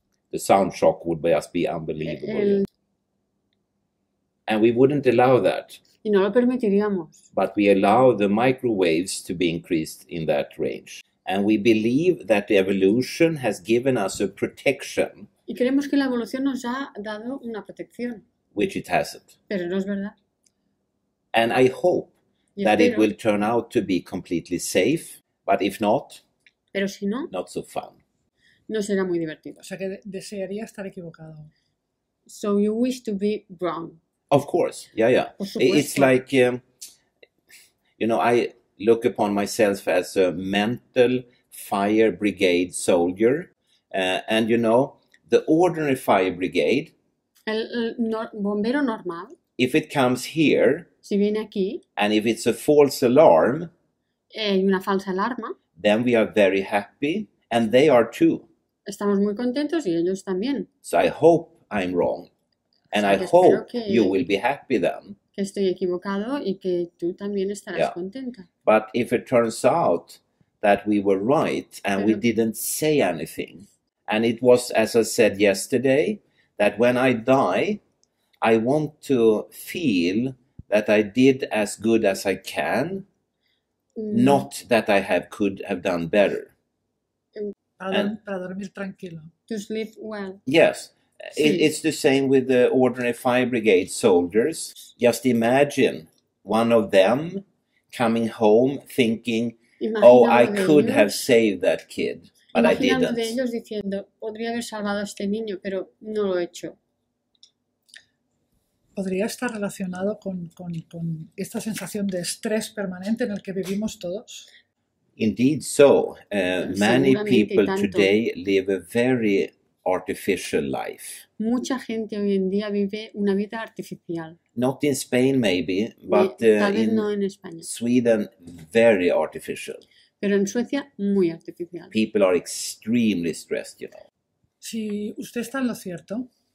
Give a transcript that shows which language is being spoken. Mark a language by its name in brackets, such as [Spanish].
[English] The sound shock would just be unbelievable. And we wouldn't allow that. [Spanish] Y no lo permitiríamos. [English] But we allow the microwaves to be increased in that range. And we believe that the evolution has given us a protection. [Spanish] Y creemos que la evolución nos ha dado una protección. [English] Which it hasn't. [Spanish] Pero no es verdad. [English] And I hope that it will turn out to be completely safe, but if not, [Spanish] pero si no, [English] not so fun. [Spanish] No será muy divertido. O sea que desearía estar equivocado. [English] So you wish to be wrong. Of course, yeah, yeah. [Spanish] Por supuesto. [English] It's like, you know, I look upon myself as a mental fire brigade soldier. And you know, the ordinary fire brigade, [Spanish] bombero normal, [English] if it comes here, [Spanish] si viene aquí, [English] and if it's a false alarm, [Spanish] una falsa alarma, [English] then we are very happy, and they are too. [Spanish] Estamos muy contentos y ellos también. [English] So I hope I'm wrong, and [Spanish] que [English] I hope you will be happy then. [Spanish] Que estoy equivocado y que tú también estarás, [English] yeah, [Spanish] contenta. [English] But if it turns out that we were right and we didn't say anything, and it was, as I said yesterday, that when I die, I want to feel that I did as good as I can, not that I could have done better. [Spanish] Para dormir tranquilo. [English] To sleep well. Yes. Sí. It's the same with the ordinary fire brigade soldiers. Just imagine one of them coming home thinking, [Spanish] imaginando, [English] oh, I could have saved that kid, but I didn't. [Spanish] Imaginando de ellos diciendo, podría haber salvado a este niño, pero no lo he hecho. ¿Podría estar relacionado con esta sensación de estrés permanente en el que vivimos todos? [English] Indeed so. Many people today live a very artificial life. [Spanish] Mucha gente hoy en día vive una vida artificial. [English] Not in Spain maybe, but in Sweden, very artificial. [Spanish] Pero en Suecia, muy artificial. [English] People are extremely stressed, you know. [Spanish] Si usted está en lo cierto.